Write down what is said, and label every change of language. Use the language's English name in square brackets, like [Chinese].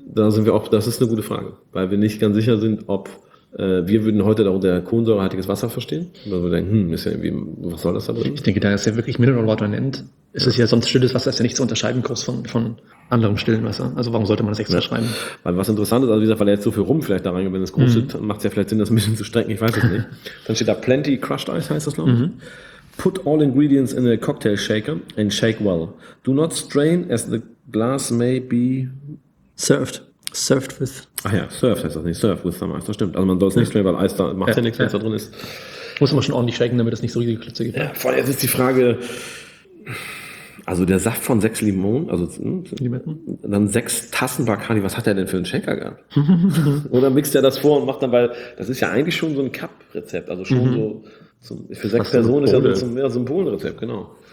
[German] Da sind wir auch, das ist eine gute Frage, weil wir nicht ganz sicher sind, ob wir würden heute darunter kohlensäurehaltiges Wasser verstehen, weil wir denken, ist ja irgendwie, was soll das da drin? Ich denke, da es ja wirklich mineral water nennt, ist es ja sonst stilles Wasser, ist ja nicht zu unterscheiden groß von anderem stillen Wasser. Also warum sollte man das extra schreiben? Weil was interessant ist, also wie gesagt, weil er jetzt so viel rum vielleicht da reingeht, wenn es groß ist, macht es ja vielleicht Sinn, das ein bisschen zu strecken, ich weiß es nicht. Dann steht da [English] plenty crushed ice, [German] heißt das, glaube ich. [English] Put all ingredients in a cocktail shaker and shake well. Do not strain as the glass may be served with. [German] Ach ja, served heißt das nicht, [English] served with some ice, [German] das stimmt. Also man soll es nicht strainen, weil Eis da macht ja nichts, wenn es da drin ist. Muss man schon ordentlich shaken, damit es nicht so riesige Klötze gibt. Ja, vor allem jetzt ist die Frage, also der Saft von 6 Limonen, also Limetten, dann 6 Tassen Bacardi, was hat er denn für einen Shaker gehabt? Oder mixt er das vor und macht dann, weil das ist ja eigentlich schon so ein Cup-Rezept, also schon so für 6 Personen ist ja so ein Symbolrezept, genau.